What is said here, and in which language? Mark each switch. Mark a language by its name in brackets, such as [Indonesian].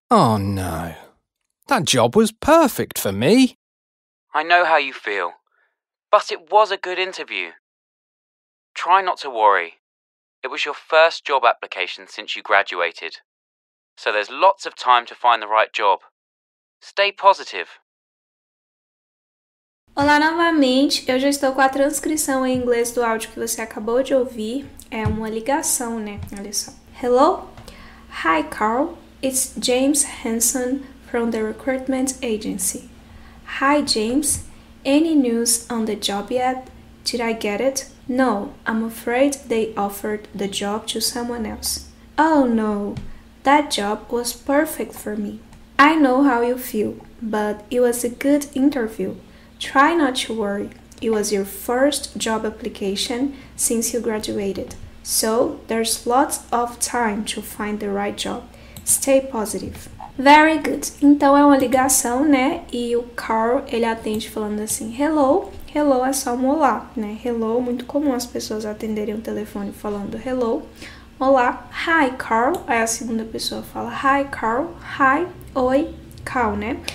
[English] Oh, no. That job was perfect for me. I know how you feel, but it was a good interview. Try not to worry. It was your first job application since you graduated, so there's lots of time to find the right job. Stay positive. [Portuguese] Olá novamente, eu já estou com a transcrição em inglês do áudio que você acabou de ouvir. É uma ligação, né? Olha só. [English] Hello? Hi, Carl. It's James Hanson from the recruitment agency. Hi, James. Any news on the job yet? Did I get it? No, I'm afraid they offered the job to someone else. Oh, no. That job was perfect for me. I know how you feel, but it was a good interview. Try not to worry. It was your first job application since you graduated, so there's lots of time to find the right job. Stay positive. Very good. [Portuguese] Então é uma ligação, né? E o Carl, ele atende falando assim: Hello. Hello é só um olá, né? Hello, muito comum as pessoas atenderem o telefone falando hello. Olá. [English] Hi, Carl. [Portuguese] Aí a segunda pessoa fala: [English] Hi, Carl. Hi. [Portuguese] Oi, Carl, né?